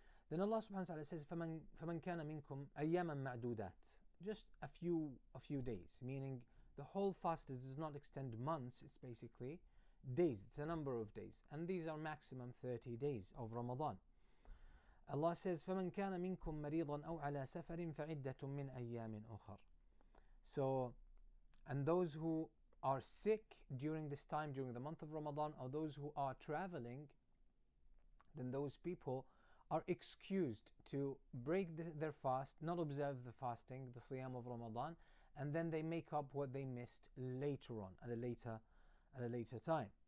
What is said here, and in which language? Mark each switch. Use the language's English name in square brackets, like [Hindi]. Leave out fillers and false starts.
[English] Then Allah subhanahu wa ta'ala says, [Arabic] فَمَنْ كَانَ مِنْكُمْ أَيَّامًا مَعْدُودَاتٍ. [English] Just a few days, meaning the whole fast does not extend months, it's basically days, it's a number of days. And these are maximum 30 days of Ramadan. Allah says, [Arabic] فَمَنْ كَانَ مِنْكُمْ مَرِيضًا أَوْ عَلَى سَفَرٍ فَعِدَّةٌ مِنْ أَيَّامٍ أُخَرٍ. [English] So, and those who are sick during this time, during the month of Ramadan, or those who are traveling, then those people are excused to break their fast, not observe the fasting, the siyam of Ramadan, and then they make up what they missed later on, at a later time.